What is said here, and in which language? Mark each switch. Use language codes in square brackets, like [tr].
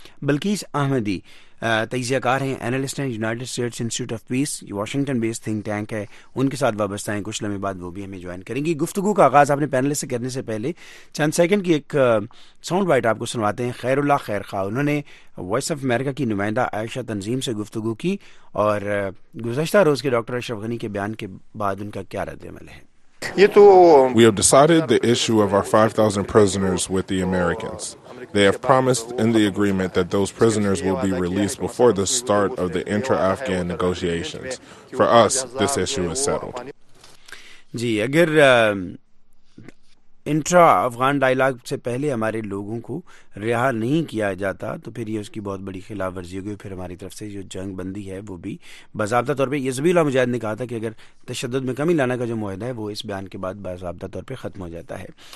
[ur] بلقیس احمدی تجزیہ کار ہیں، انالسٹ ہیں، United States institute of peace, Washington based think tank ہے، ان کے ساتھ وابستہ ہیں، کچھ لمحے بعد وہ بھی ہمیں جوائن کریں گی. گفتگو کا آغاز آپ نے پینلسٹ سے کرنے سے پہلے چند سیکنڈ کی ایک ساؤنڈ بائٹ آپ کو سنواتے ہیں. خیر اللہ خیر خواہ، انہوں نے وائس آف امریکہ کی نمائندہ عائشہ تنظیم سے گفتگو کی، اور گزشتہ روز کے ڈاکٹر اشرف غنی کے بیان کے بعد ان کا کیا رد عمل ہے. یہ تو [en] We have decided the issue of our 5,000 prisoners with the Americans. They have promised in the agreement that those prisoners will be released before the start of the intra-Afghan negotiations. For us, this issue is settled. [ur] جی، اگر انٹرا-افغان dialogue سے پہلے ہمارے لوگوں کو رہا نہیں کیا جاتا، تو پھر یہ اس کی بہت بڑی خلاف ورزی ہوگی، پھر ہماری طرف سے جو جنگ بندی ہے وہ بھی باضابطہ طور پہ. یزبی اللہ مجاہد نے کہا تھا کہ اگر تشدد میں کمی لانا کا جو معاہدہ ہے وہ اس بیان کے بعد باضابطہ طور پہ ختم ہو جاتا ہے.